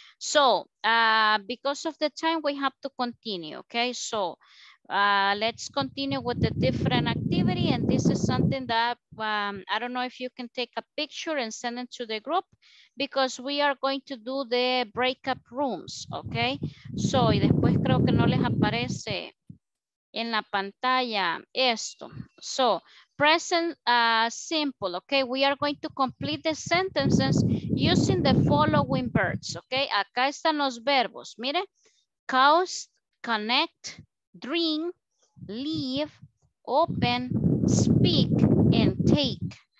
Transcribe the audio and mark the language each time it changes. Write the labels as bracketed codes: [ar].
[en] So, because of the time, we have to continue. Okay, so let's continue with the different activity. And this is something that I don't know if you can take a picture and send it to the group, because we are going to do the breakup rooms. [es] Okay, so, y después creo que no les aparece en la pantalla esto. [en] So, present simple, okay? We are going to complete the sentences using the following verbs, okay? [es] Acá están los verbos, mire. [en] Cost, connect, drink, leave, open, speak, and take.